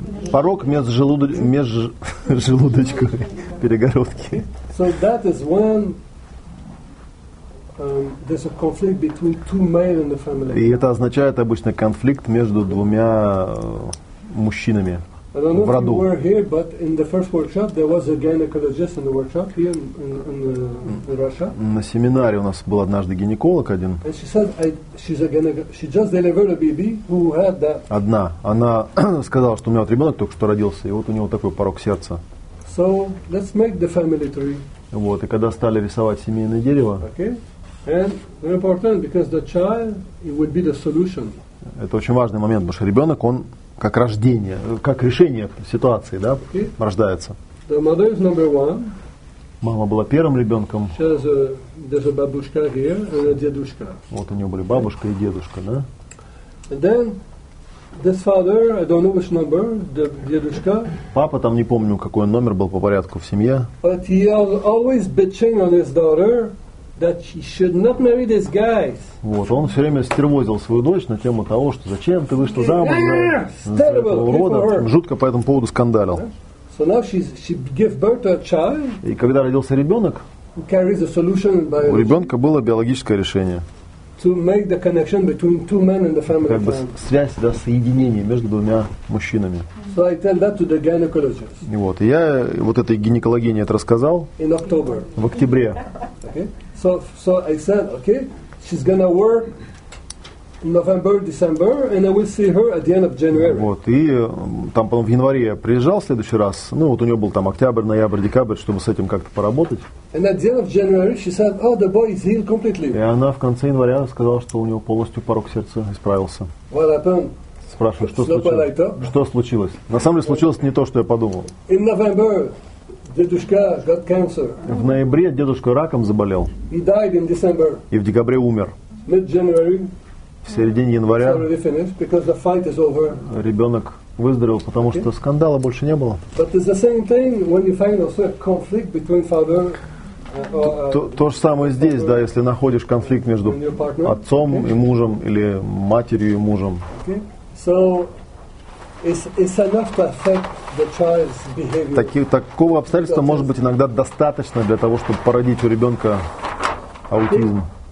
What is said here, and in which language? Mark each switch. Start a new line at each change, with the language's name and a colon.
Russian: Порог межжелудочковой перегородки.
English: So that is when there's a conflict between two male in the family.
Russian: И это означает обычно конфликт между двумя мужчинами.
English: I don't know
Russian: в роду.
English: If you were here, but in the first workshop there was a gynecologist in the workshop here in Russia.
Russian: На семинаре у нас был однажды гинеколог один.
English: And she said she just delivered a baby who had that.
Russian: Одна. Она сказала, что у меня вот ребенок только что родился, и вот у него такой порог сердца.
English: So let's make the family tree.
Russian: Вот, и когда стали рисовать семейное дерево. Okay.
English: And very important because the child it would be the solution.
Russian: Это очень важный момент, потому что ребенок он как рождение, как решение ситуации, да, okay. Рождается.
English: The mother is number one.
Russian: Мама была первым ребенком. Сейчас даже бабушка
English: here, and
Russian: дедушка. Вот у нее были бабушка и дедушка, да?
English: And then this father, I don't know which number, the дедушка.
Russian: Папа там не помню, какой он номер был по порядку в семье.
English: But he was always bitching on his daughter that she should not marry these guys.
Russian: Вот, он все время стервозил свою дочь на тему того, что зачем ты вышла замуж за этого урода. Жутко по этому поводу скандалил.
English: So now she gave birth to a child.
Russian: И когда родился ребенок,
English: carries a solution by
Russian: у ребенка было биологическое решение.
English: To make the connection between two men in the family.
Russian: Как бы связь, да, соединение между двумя мужчинами.
English: So I tell that to the gynecologist.
Russian: И вот, я вот этой гинекологине это рассказал.
English: In October.
Russian: В октябре. Okay.
English: So I said, okay, she's gonna work November, December, and I will see her at the end of January.
Russian: Вот, и там потом в январе я приезжал в следующий раз. Ну вот у нее был там октябрь, ноябрь, декабрь, чтобы с этим как-то поработать.
English: And at the end of January she said, oh, the boy is healed completely.
Russian: И она в конце января сказала, что у него полностью порог сердца исправился.
English: What happened?
Russian: Спрашиваю, что случилось? Что случилось? На самом деле случилось не то, что я подумал.
English: In November. Дедушка got cancer.
Russian: В ноябре дедушка раком заболел.
English: He died in December.
Russian: И в декабре умер.
English: Mid-January.
Russian: В середине января.
English: It's already finished because the fight is over.
Russian: Ребенок выздоровел, потому okay. Что скандала больше не было.
English: But it's the same thing when you find also a conflict between father
Russian: То же самое здесь, да, если находишь конфликт между отцом и мужем или матерью и мужем. Такого обстоятельства может быть иногда достаточно для того, чтобы породить у ребенка аутизм.